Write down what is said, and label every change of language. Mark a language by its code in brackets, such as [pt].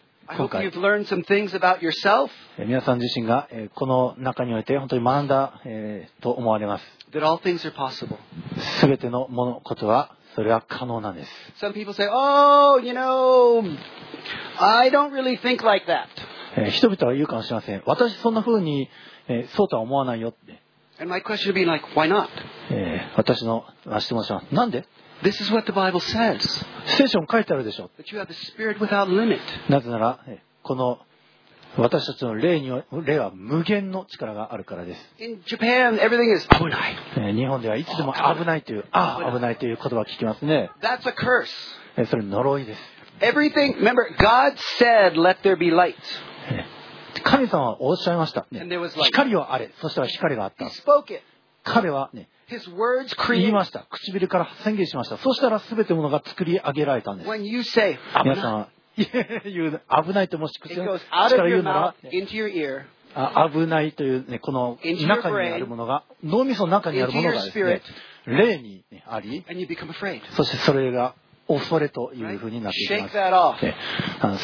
[en] I hope you've learned some things about yourself. [ja] 皆さん自身がこの中において本当に学んだと思われます。 [en] That all things are possible. [ja] 全てのものことはそれは可能なんです。 [en] Some people say, "Oh, you know, I don't really think like that." [ja] 人々は言うかもしれません。私そんな風にそうとは思わないよって。 [en] And my question would be like, "Why not?" [ja] 私の質問します。なんで？ [en] This is what the Bible says. [ja] 聖書に書いてあるでしょ。 [en] That you have the spirit without limit. [ja] なぜなら、この私たちの霊は無限の力があるからです。 [en] In Japan, everything is 危ない。 [ja] 日本ではいつでも危ないという、危ないという言葉を聞きますね。 [en] That's a curse. [ja] それ呪いです。 [en] Everything, remember, God said, let there be light. [ja] 神様はおっしゃいました。ね、 [en] And there was light. [ja] 光はあれ、そしたら光があった。 [en] He spoke it. [ja] 彼はね、 [en] His words create. [ja] 言いました。唇から宣言しました。そしたら全てものが作り上げられたんです。 [en] When you say, [ja] 皆さん、危ないともし口から言うなら、ね、危ないという、ね、この中にあるものが、脳みその中にあるものがですね、霊にあり、そしてそれが恐れというふうになっていきます。